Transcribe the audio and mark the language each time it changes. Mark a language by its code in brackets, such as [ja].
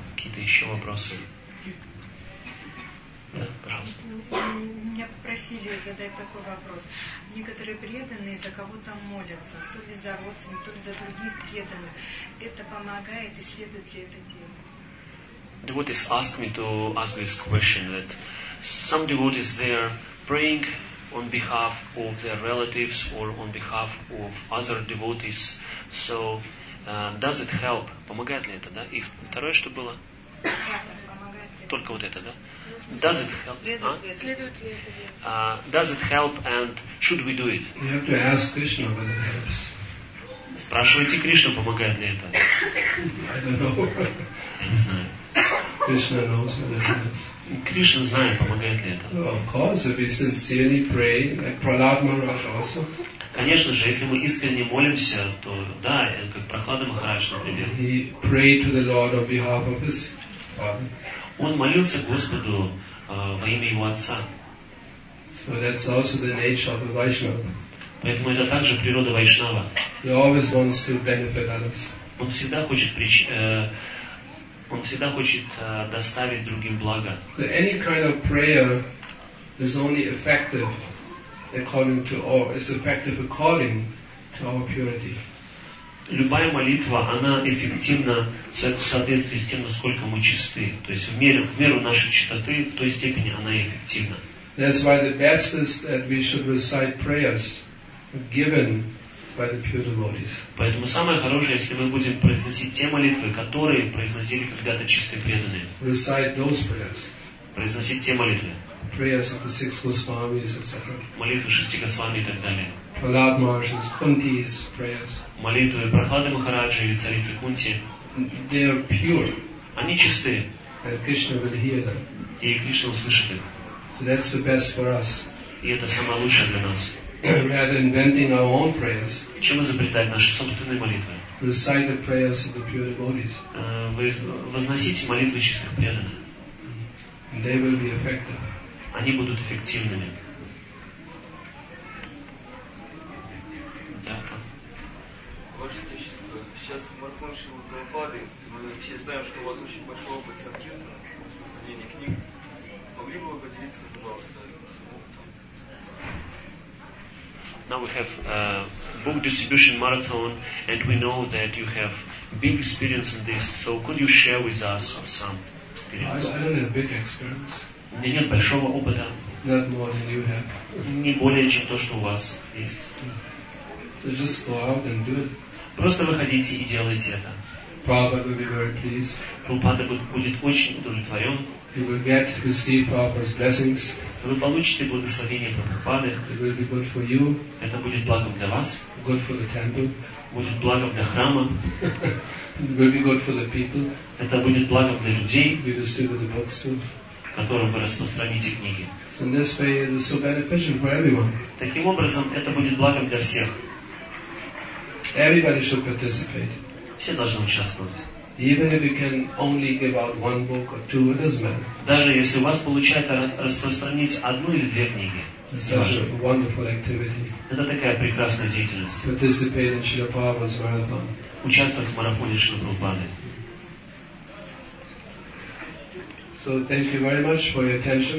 [ru] Какие-то еще вопросы? Да, пожалуйста. Меня попросили задать такой вопрос. Некоторые преданные за кого-то молятся, то ли за родственников, то ли за других преданных. Это помогает и следует ли это делать? [en] Devotees ask me to ask this question that some devotees they are praying on behalf of their relatives or on behalf of other devotees. So does it help? [ru] Помогает ли это, да? И второе, что было? Только вот это, да? [en] Does it help? Does it help and should we do it? You have to ask Krishna whether it helps. [ru] Спрашивайте Кришну, помогает ли это. [en] I don't know. [ru] Я не знаю. [en] Krishna knows whether it helps. [ru] Кришна знает, помогает ли это. [en] Well, of course, if we sincerely pray, like Prahlad Maharaj also. [ru] Конечно же, если мы искренне молимся, то да, как Прахлада Махарадж, например. [en] He prayed to the Lord on behalf of his father. [ru] Он молился Господу во имя его отца. [en] So that's also the nature of a Vaishnava. [ru] Поэтому это также природа Вайшнава. [en] He always wants to benefit others. [ru] Он всегда хочет доставить другим благо. [en] So any kind of prayer is only effective according to our, is effective according to our purity. [ru] Любая молитва, она эффективна в соответствии с тем, насколько мы чисты. То есть в меру нашей чистоты, в той степени она эффективна. [en] That's why the best is that we should recite prayers given by the pure devotees. [ru] Поэтому самое хорошее, если мы будем произносить те молитвы, которые произносили когда-то чистые преданные. [en] Recite those prayers. [ru] Произносить те молитвы. [en] Prayers of the six Госвамис, etc. [ru] Молитвы шести Госвами и так далее. [en] Prahlad Maharaj's, Kunti's prayers. [ru] Молитвы Прахлады Махараджи или царицы Кунти. [en] They are pure. [ru] Они чисты. [en] And Krishna will hear them. [ru] И Кришна услышит их. [en] So that's the best for us. [ru] И это самое лучшее для нас. [en] Rather inventing our own prayers. [ru] Чем изобретать наши собственные молитвы? [en] Recite the prayers of the pure devotees. [ru] Вы возносите молитвы чистых преданных. [en] They will be effective. [ru] Они будут эффективными. Ваше Святейшество, сейчас марафон Шрилы Прабхупады, мы все знаем, что у вас очень большой опыт санкиртана, распространение книг. Могли бы вы поделиться, пожалуйста, с опытом? [en] Now we have book distribution marathon, and we know that you have big experience in this. So could you share with us some experience? I don't have big experience. [ru] У меня нет большого опыта. [en] Not more than you have. [ru] Не более, чем то, что у вас есть. [en] So just go out and do it. [ru] Просто выходите и делайте это. [en] Prabhupada will be very pleased. [ru] Прабхупада будет очень удовлетворен. [en] You will get to receive Prabhupada's blessings. [ru] Вы получите благословение Прабхупады. [en] It will be good for you. [ru] Это будет благом для вас. [en] Good for the temple. [ru] Будет благом для храма. [en] It will be good for the people. [ru] Это будет благом для людей. [en] We distribute the books too. [ru] Которым вы распространите книги. [en] So in this way, it is so beneficial for everyone. [ru] Таким образом, это будет благом для всех. [en] Everybody should participate. [ru] Все должны участвовать. [en] Even if you can only give out one book or two, it doesn't matter. [ru] Даже если у вас получается распространить одну или две книги. [en] It's such a wonderful activity. [ru] Это такая прекрасная деятельность. [en] Participate in Srila Prabhupada's marathon. [ru] Участвовать в марафоне Шрилы Прабхупады. [en] So thank you very much for your attention.